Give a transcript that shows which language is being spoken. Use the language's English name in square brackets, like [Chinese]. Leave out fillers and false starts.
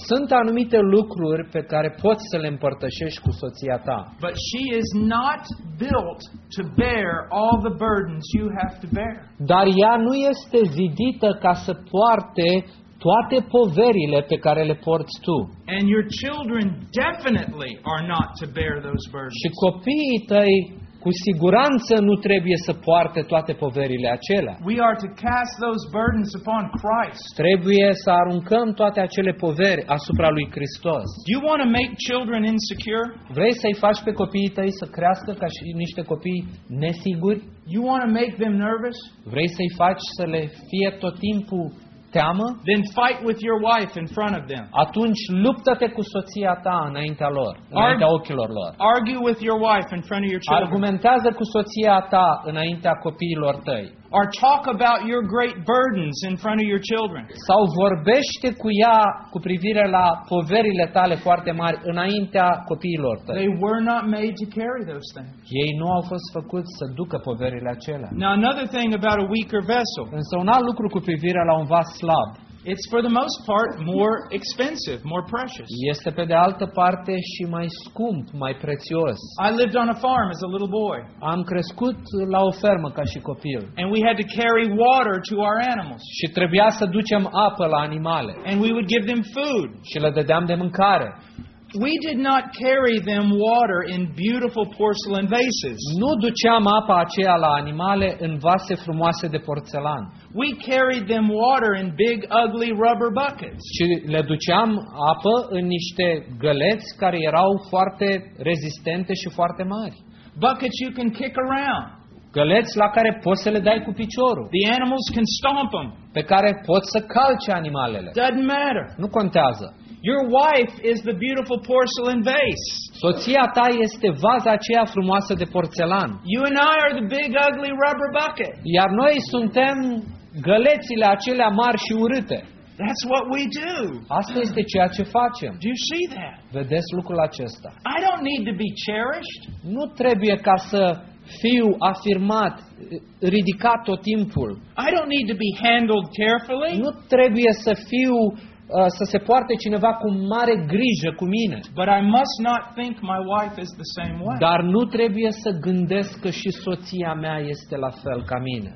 [Romanian] Sunt anumite lucruri pe care poți să le împărtășești cu soția ta. [English] But she is not built to bear all the burdens you have to bear. [Romanian] Dar ea nu este zidită ca să poarte toate poverile pe care le porți tu. [English] And your children definitely are not to bear those burdens. [Romanian] Și copiii tăi cu siguranță nu trebuie să poarte toate poverile acelea. [English] We are to cast those burdens upon Christ. [Romanian] Trebuie să aruncăm toate acele poveri asupra lui Hristos. [English] Do you want to make children insecure? [Romanian] Vrei să-i faci pe copiii tăi să crească ca și niște copii nesiguri? [English] You want to make them nervous? [Romanian] Vrei să-i faci să le fie tot timpul teamă? [English] Then fight with your wife in front of them. [Romanian] Atunci luptă-te cu soția ta înaintea lor, înaintea ochilor lor. [English] Argue with your wife in front of your children. [Romanian] Argumentează cu soția ta înaintea copiilor tăi. [English] Or talk about your great burdens in front of your children. [Romanian] Sau vorbește cu ea cu privire la poverile tale foarte mari înaintea copiilor tăi. [English] They were not made to carry those things. [Romanian] Ei nu au fost făcuți să ducă poverile acelea. [English] Now another thing about a weaker vessel. [Romanian] Însă un alt lucru cu privire la un vas slab. [English] It's for the most part more expensive, more precious. [Romanian] Este pe de altă parte și mai scump, mai prețios. [English] I lived on a farm as a little boy. [Romanian] Am crescut la o fermă ca și copil. [English] And we had to carry water to our animals. [Romanian] Și trebuia să ducem apă la animale. [English] And we would give them food. [Romanian] Și le dădeam de mâncare. [English] We did not carry them water in beautiful porcelain vases. [Romanian] Nu duceam apa aceea la animale în vase frumoase de porțelan. [English] We carried them water in big ugly rubber buckets. [Romanian] Și le duceam apă în niște găleți care erau foarte rezistente și foarte mari. [English] Buckets you can kick around. [Romanian] Găleți la care poți să le dai cu piciorul. [English] The animals can stomp them. [Romanian] Pe care poți să calci animalele. [English] Doesn't matter. [Romanian] Nu contează. [English] Your wife is the beautiful porcelain vase. [Romanian] Soția ta este vaza aceea frumoasă de porțelan. [English] You and I are the big ugly rubber bucket. [Romanian] Iar noi suntem gălețile acelea mari și urâte. [English] That's what we do. [Romanian] Asta este ceea ce facem. [English] Do you see that? [Romanian] Vedeți lucrul acesta? [English] I don't need to be cherished. [Romanian] Nu trebuie ca să fiu afirmat, ridicat tot timpul. [English] I don't need to be handled carefully. [Romanian] Nu trebuie să fiu să se poarte cineva cu mare grijă cu mine. [English] But I must not think my wife is the same way. [Romanian] Dar nu trebuie să gândesc că și soția mea este la fel ca mine.